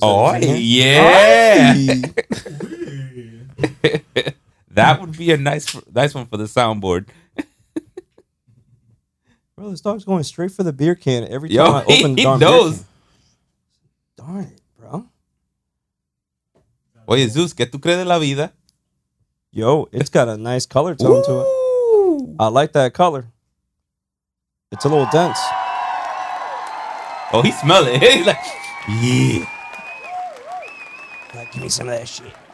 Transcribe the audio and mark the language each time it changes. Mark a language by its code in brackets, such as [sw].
[en] Oh, yeah. That would be a nice one for the soundboard. Bro, this dog's going straight for the beer can every time. Yo, I open the darn beer can. Darn it, bro. [es] Oye, Zeus, ¿qué tú crees de la vida? [en] Yo, it's got a nice color tone to it. I like that color. It's a little dense. Oh, he's smelling it. He's like, yeah. Like, give me some of that shit.